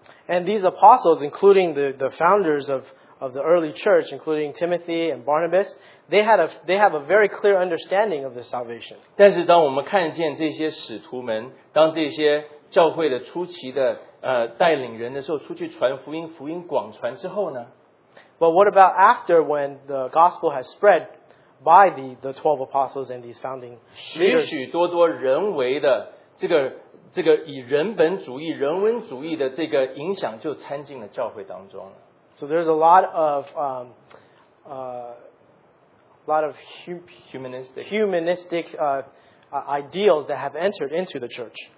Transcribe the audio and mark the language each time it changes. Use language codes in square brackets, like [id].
[en] And these apostles, including the founders of the early church, including Timothy and Barnabas, they have a very clear understanding of the salvation. [zh] 但是当我们看见这些使徒们，当这些教会的初期的带领人的时候，出去传福音，福音广传之后呢？ [en] But what about after when the gospel has spread by the 12 apostles and these founding leaders? [zh] 许许多多人为的这个以人本主义、人文主义的这个影响就掺进了教会当中了。 [en] So there's a lot of humanistic ideals that have entered into the church.